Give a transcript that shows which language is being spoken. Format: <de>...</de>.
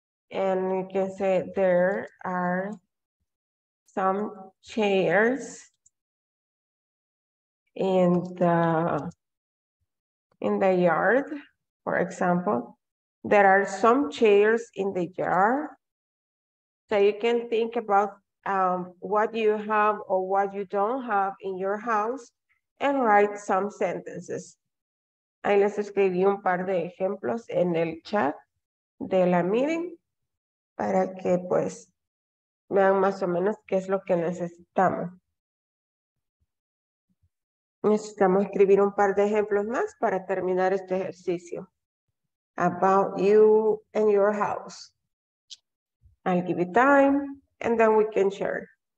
<en>And you can say there are some chairs in the yard. For example, there are some chairs in the yard. So you can think about what you have or what you don't have in your house and write some sentences.</en> <es>Ahí les escribí un par de ejemplos en el chat de la meeting para que pues vean más o menos qué es lo que necesitamos. Necesitamos escribir un par de ejemplos más para terminar este ejercicio.</es> <en>About you and your house. I'll give you time and then we can share.</en>